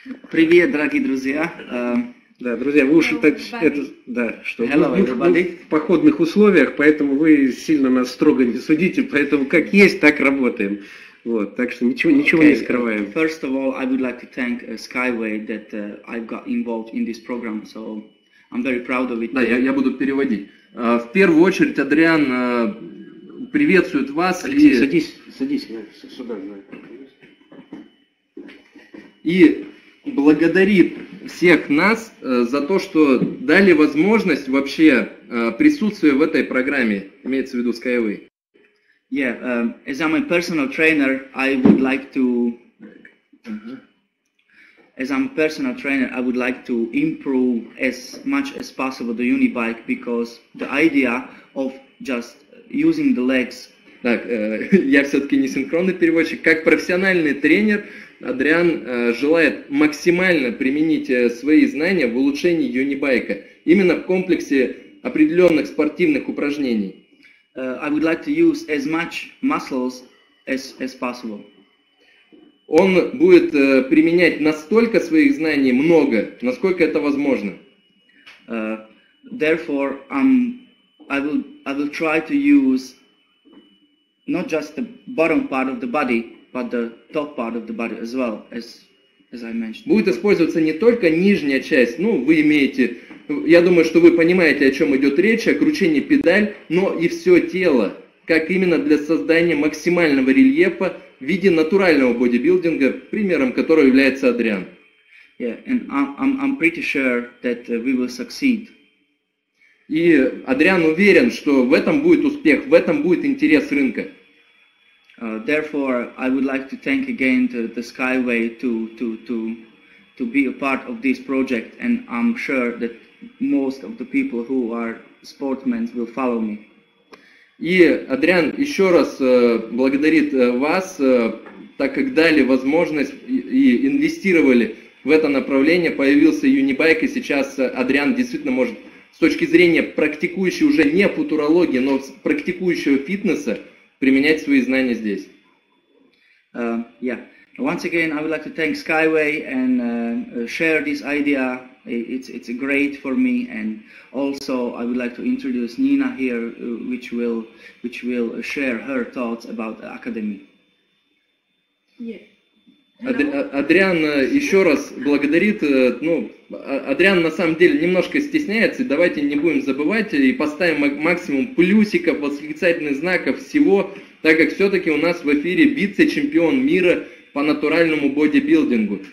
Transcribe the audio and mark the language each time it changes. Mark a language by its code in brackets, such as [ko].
[ru] Привет, дорогие друзья. Да, друзья, вы уж так это, да, что в походных условиях, поэтому вы сильно нас строго не судите, поэтому как есть, так работаем. Вот, так что ничего не скрываем. [en] First of all, I would like to thank SkyWay that I got involved in this program, so I'm very proud of it. [ru] Да, я буду переводить. В первую очередь, Адриан, приветствует вас. Алексей, и... садись сюда. И благодарит всех нас за то, что дали возможность вообще присутствия в этой программе, имеется в виду SkyWay. [en] Yeah, as I'm a personal trainer, I would like to as I'm a personal trainer, I would like to improve as much as possible the unibike, because the idea of just using the legs. [ru] Так, я все-таки не синхронный переводчик. Как профессиональный тренер, Адриан желает максимально применить свои знания в улучшении юнибайка, именно в комплексе определенных спортивных упражнений. [en] I would like to use as much muscles as possible. [ru] Он будет применять настолько своих знаний много, насколько это возможно. [en] Therefore, I will try to use not just the bottom part of the body, but the top part of the body as well, as I mentioned. [ru] Будет использоваться не только нижняя часть, ну, вы имеете, я думаю, что вы понимаете, о чем идет речь, о кручении педаль, но и все тело, как именно для создания максимального рельефа в виде натурального бодибилдинга, примером которого является Адриан. [en] Yeah, and I'm pretty sure that we will succeed. [ru] И Адриан уверен, что в этом будет успех, в этом будет интерес рынка. [en] Therefore, I would like to thank again the Skyway to be a part of this project, and I'm sure that most of the people who are sportsmen will follow me. [ru] И Адриан еще раз благодарит вас, так как дали возможность и инвестировали в это направление, появился юнибайк, и сейчас Адриан действительно может с точки зрения практикующей уже не футурологии, но практикующего фитнеса применять свои знания здесь. [en] Yeah. Once again, I would like to thank Skyway and share this idea. It's great for me, and also I would like to introduce Nina here, which will share her thoughts about the academy. Yeah. [ru] Адриан еще раз благодарит. Ну, Адриан на самом деле немножко стесняется. Давайте не будем забывать и поставим максимум плюсиков, восклицательных знаков всего, так как все-таки у нас в эфире вице-чемпион мира по натуральному бодибилдингу.